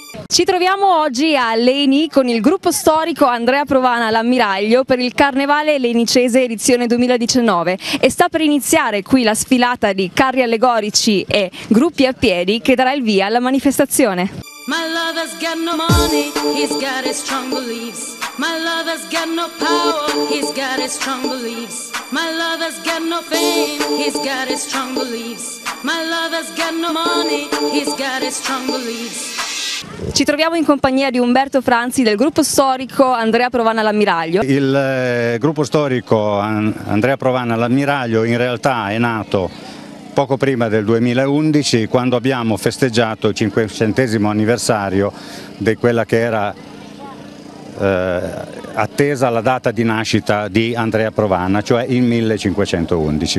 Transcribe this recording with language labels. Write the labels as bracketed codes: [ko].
[it] Ci troviamo oggi a Leni con il gruppo storico Andrea Provana all'Ammiraglio per il Carnevale Lenicese edizione 2019 e sta per iniziare qui la sfilata di carri allegorici e gruppi a piedi che darà il via alla manifestazione. [en] My lover's got no money, he's got his strong beliefs. My lover's got no power, he's got his strong beliefs. My lover's got no fame, he's got his strong beliefs. My lover's got no money, he's got his strong beliefs. [it] Ci troviamo in compagnia di Umberto Franzi del gruppo storico Andrea Provana all'Ammiraglio. Il gruppo storico Andrea Provana all'Ammiraglio in realtà è nato poco prima del 2011, quando abbiamo festeggiato il 500° anniversario di quella che era attesa la data di nascita di Andrea Provana, cioè il 1511.